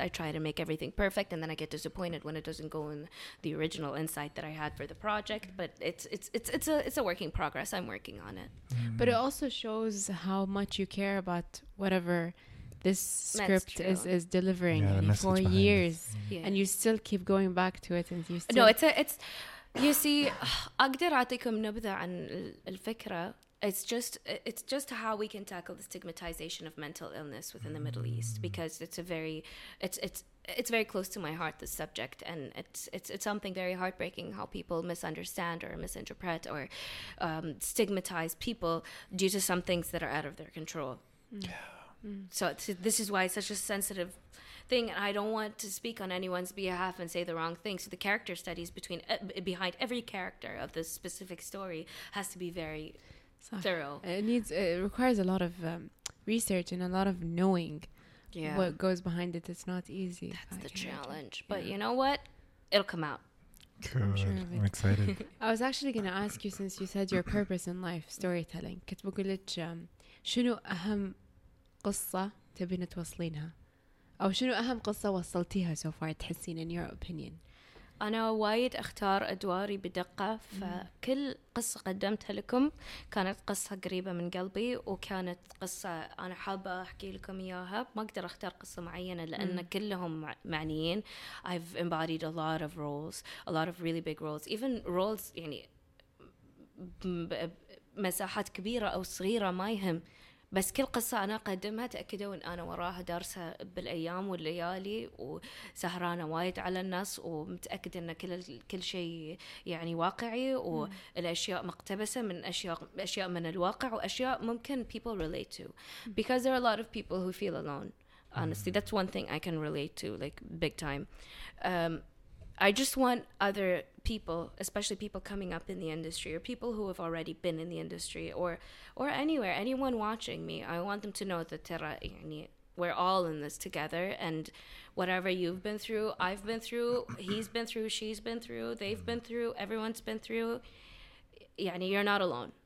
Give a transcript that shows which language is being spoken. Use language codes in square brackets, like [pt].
[en] I try to make everything perfect, and then I get disappointed when it doesn't go in the original insight that I had for the project. But it's a work in progress. I'm working on it. Mm. But it also shows how much you care about whatever this script is delivering in 4 years, and you still keep going back to it, and you still You see, [ar] أقدر أعطيكم نبذة عن الفكرة. [en] It's just how we can tackle the stigmatization of mental illness within the Middle East, because it's very close to my heart, this subject, and it's something very heartbreaking how people misunderstand or misinterpret or stigmatize people due to some things that are out of their control. So this is why it's such a sensitive thing, and I don't want to speak on anyone's behalf and say the wrong thing. So the character studies behind every character of this specific story has to be very thorough. It requires a lot of research and a lot of knowing what goes behind it. It's not easy. That's the challenge. But you know what? It'll come out. Good. I'm excited. I was actually going to ask you, since you said your purpose in life, storytelling. [ar] كنت بقول لك شنو أهم قصة تبين توصلينها؟ أو شنو أهم قصة وصلتيها [en] so far [ar] تحسين [en] in your opinion؟ [ar] أنا وايد أختار أدواري بدقة, فكل قصة قدمتها لكم كانت قصة قريبة من قلبي, وكانت قصة أنا حابة أحكي لكم إياها. ما أقدر أختار قصة معينة لأن كلهم معنيين. [en] I've embodied a lot of roles, a lot of really big roles, even roles [ar] يعني مساحات كبيرة أو صغيرة ما يهم, بس كل قصة أنا قدمها تأكدوا إن أنا وراها دارسها بالأيام والليالي وسهرانة وايد على النص, ومتأكد إن كل شيء يعني واقعي, والأشياء مقتبسة من أشياء من الواقع وأشياء ممكن [en] people relate to, because there are a lot of people who feel alone. Honestly, that's one thing I can relate to, like big time. I just want other people, especially people coming up in the industry or people who have already been in the industry or anywhere, anyone watching me, I want them to know that Tara, we're all in this together, and whatever you've been through, I've been through, he's been through, she's been through, they've been through, everyone's been through, you're not alone.